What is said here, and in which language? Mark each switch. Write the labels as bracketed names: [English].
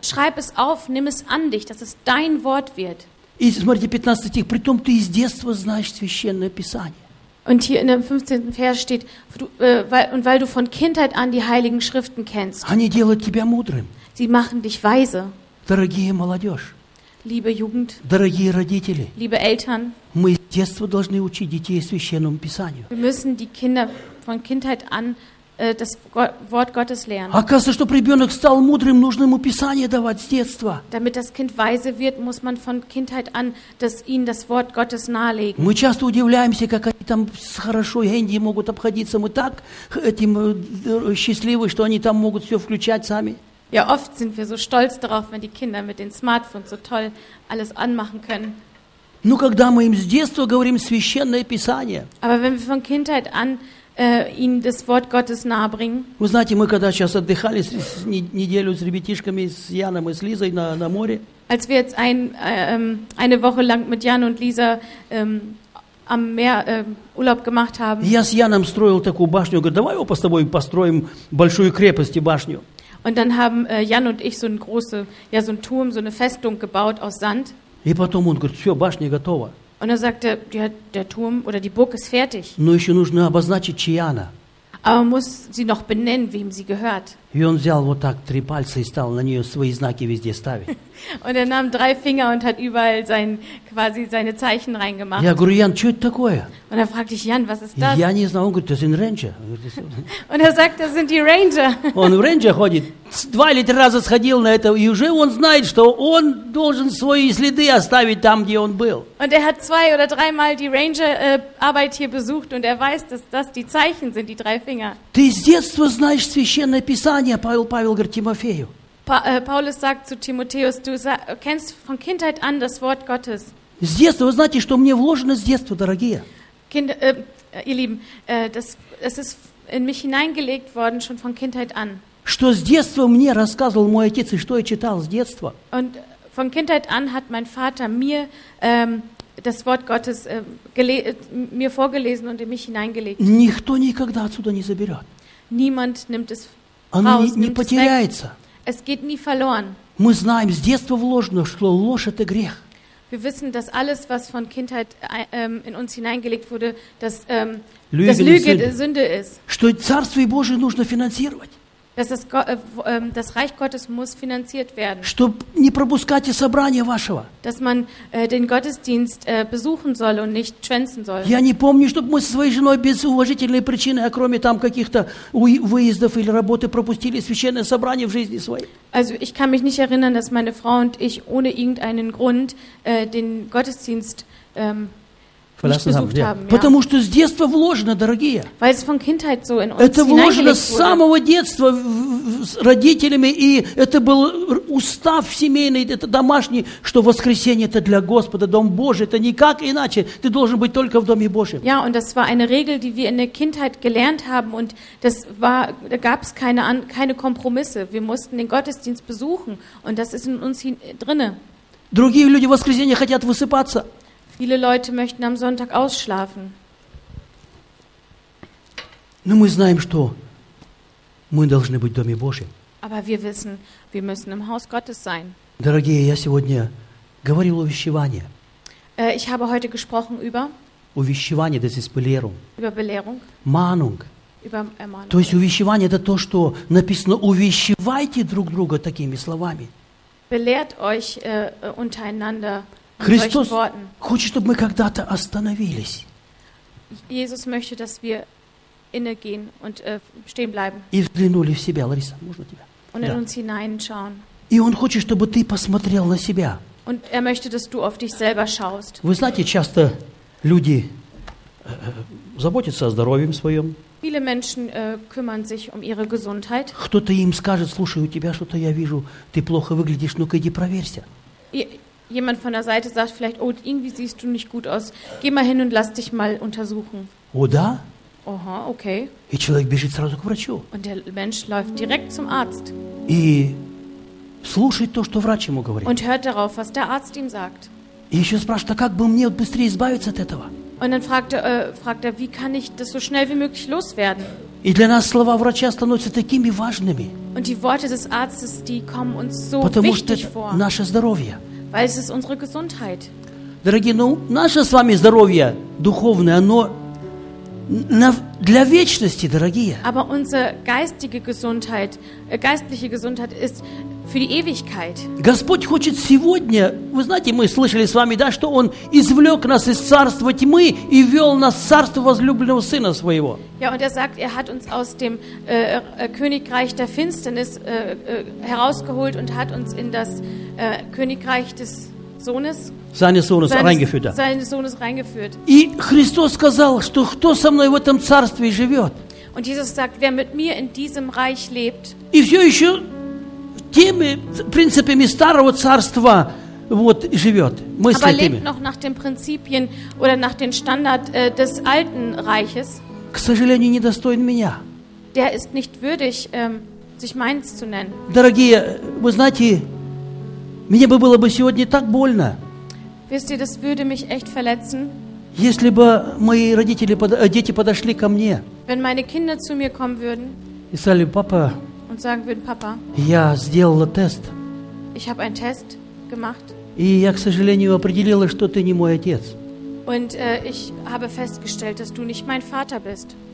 [German] Schreib es auf, nimm es an dich, dass es dein Wort wird. [Russian] И смотрите, 15 стих. Притом ты с детства знаешь Священное Писание. [German] Und hier in dem 15. Vers steht, weil du von Kindheit an die Heiligen Schriften kennst. [Russian] Они делают тебя мудрым. [German] Sie machen dich weise. [Russian] Дорогие молодежь. [German] Liebe Jugend. [Russian] Дорогие родители. [German] Liebe Eltern. [Russian] Мы с детства должны учить детей Священному Писанию. [German] Wir müssen die Kinder von Kindheit an das Wort Gottes lernen. [Russian] Оказывается, чтобы ребенок стал мудрым, нужно ему Писание давать с детства. [German] Damit das Kind weise wird, muss man von Kindheit an das ihm das Wort Gottes nahelegen. [Russian] Мы часто удивляемся, как они там хорошо в Индии могут обходиться. Мы так этим счастливы, что они там могут все включать сами. [German] Ja, oft sind wir so stolz darauf, wenn die Kinder mit den Smartphones so toll alles anmachen können. [Russian] Ну, когда мы им с детства говорим Священное Писание. [German] Aber wenn wir von Kindheit an ihnen das Wort Gottes nahebringen. [Russian] Вы знаете, мы когда сейчас отдыхали неделю с ребятишками, с Яном и с Лизой на море. [German] Als wir jetzt eine Woche lang mit Jan und Lisa am Meer Urlaub gemacht haben. [Russian] Я с Яном строил такую башню. Говорю, давай его с тобой построим большую крепость и башню. [German] Und dann haben Jan und ich so einen großen, ja so einen Turm, so eine Festung gebaut aus Sand. [Russian] И потом он говорит, все, башня готова. [German] Und er sagte, ja, der Turm oder die Burg ist fertig. [Russian] Но еще нужно обозначить, чья она. [German] Aber man muss sie noch benennen, wem sie gehört. [Russian] И он взял вот так три пальца и стал на нее свои знаки везде ставить. [German] Und er nahm drei Finger und hat überall sein, quasi seine Zeichen reingemacht. [Russian] Я говорю, Ян, что это такое? [German] Und er fragte ich, Jan, was ist das? [Russian] Я не знаю, он говорит, это [German] sind [Russian] Ranger. [German] Und er sagt, das sind die Ranger. [Russian] Он в Ranger ходит. 2 или 3 раза сходил на это, и уже он знает, что он должен свои следы оставить там, где он был. [German] Und er hat 2 oder 3 Mal die Ranger-Arbeit hier besucht und er weiß, dass das die Zeichen sind, die drei Finger. [Russian] Ты с детства знаешь Священное Писание, Павел говорит Тимофею. [German] Paulus sagt zu Timotheus, du kennst von Kindheit an das Wort Gottes. [Russian] С детства, вы знаете, что мне вложено с детства, дорогие. [German] Ihr Lieben, das ist in mich hineingelegt worden, schon von Kindheit an. [Russian] Что с детства мне рассказывал мой отец и что я читал с детства. [German] Und von Kindheit an hat mein Vater mir das Wort Gottes mir vorgelesen und in mich hineingelegt. [Russian] Никто никогда отсюда не заберет. [German] Niemand nimmt es [Russian] Оно [German] raus, [Russian] не потеряется. [German] Es geht nie verloren. [Russian] Мы знаем с детства вложено, что ложь это грех. [German] Wir wissen, dass alles, was von Kindheit in uns hineingelegt wurde, dass das Lüge Sünde ist. [Russian] Что Царство Божие нужно финансировать. [German] Dass das Reich Gottes muss finanziert werden. [Russian] Чтоб не пропускать собрание вашего. [German] Dass man den Gottesdienst besuchen soll und nicht schwänzen soll. Я не помню, чтобы мы со своей женой без уважительной причины, а кроме там каких-то выездов или работы, пропустили священное собрание в жизни своей. Also ich kann mich nicht erinnern, dass meine Frau und ich ohne irgendeinen Grund den Gottesdienst verlassen haben. Ja. [Russian] Потому что с детства вложено, дорогие. [German] Weil es von Kindheit so in uns [Russian] это вложено с самого детства с родителями, и это был устав семейный, это домашний, что воскресенье это для Господа, дом Божий, это никак иначе, ты должен быть только в доме Божьем. [German] Ja, und das war eine Regel, die wir in der Kindheit gelernt haben, und das war, da gab es keine Kompromisse. Wir mussten den Gottesdienst besuchen, und das ist in uns drinne. [Russian] Другие люди в воскресенье хотят высыпаться. [German] Viele Leute möchten am Sonntag ausschlafen. [Russian] Но мы знаем, что мы должны быть в доме Божьем. [German] Aber wir wissen, wir müssen im Haus Gottes sein. [Russian] Дорогие, я сегодня говорил о увещевании. [German] Ich habe heute gesprochen über увещевание, das ist Belehrung. Über Belehrung. Mahnung. Über Ermahnung. [Russian] То есть увещевание это то, что написано: увещевайте друг друга такими словами. [German] Belehrt euch untereinander. [Russian] Христос хочет, чтобы мы когда-то остановились. [German] Jesus möchte, dass wir innegehen und stehen bleiben. [Russian] И взглянули в себя, Лариса, можно тебя? [German] Und in uns hineinschauen. [Russian] И он хочет, чтобы ты посмотрел на себя. [German] Und möchte, dass du auf dich selber schaust. [Russian] Вы знаете, часто люди заботятся о здоровье своем. [German] Viele Menschen kümmern sich um ihre Gesundheit. [Russian] Кто-то им скажет: слушай, у тебя что-то я вижу, ты плохо выглядишь, ну-ка иди проверься. [German] Jemand von der Seite sagt vielleicht: oh, irgendwie siehst du nicht gut aus. Geh mal hin und lass dich mal untersuchen. Oder? Aha, okay. [Russian] И человек бежит сразу к врачу. [German] Und der Mensch läuft direkt zum Arzt. [Russian] И слушает то, что врач ему говорит. [German] Und hört darauf, was der Arzt ihm sagt. [Russian] И еще спрашивает: а как бы мне быстрее избавиться от этого? [German] Und dann fragt er, wie kann ich das so schnell wie möglich loswerden? [Russian] И для нас слова врача становятся такими важными. [German] Und die Worte des Arztes, die kommen uns so [Russian] потому [German] wichtig [Russian] что это [German] vor. [Russian] Наше здоровье. [German] Weil es ist unsere Gesundheit. [Russian] Дорогие, ну наше с вами здоровье духовное, оно для вечности, дорогие. [German] Aber unsere geistige Gesundheit, geistliche Gesundheit ist für die Ewigkeit. [Russian] Господь хочет сегодня, вы знаете, мы слышали с вами, да, что Он извлек нас из царства тьмы и вел нас в царство возлюбленного Сына Своего. [German] Ja, und er sagt, er hat uns aus dem Königreich der Finsternis herausgeholt und hat uns in das Königreich des Sohnes. Seines Sohnes reingeführt. [Russian] И Христос сказал, что кто со мной в этом царстве живет? [German] Und Jesus sagt, wer mit mir in diesem Reich lebt. [Russian] И все еще теми принципами старого царства вот живет. [German] Aber lebt noch nach den Prinzipien oder nach den Standard des alten Reiches. [Russian] К сожалению, недостоин меня. [German] Der ist nicht würdig, sich meins zu nennen. [Russian] Дорогие, вы знаете, мне бы было бы сегодня так больно. [German] Wisst ihr, das würde mich echt verletzen. [Russian] Если бы мои родители, дети подошли ко мне. [German] Wenn meine Kinder zu mir kommen würden. [Russian] И сказали: папа. [German] Und sagen würden: Papa. [Russian] Я сделала тест. [German] Ich habe einen Test gemacht. [Russian] И я, к сожалению, определила, что ты не мой отец. [German] Und ich habe festgestellt, dass du nicht mein Vater bist.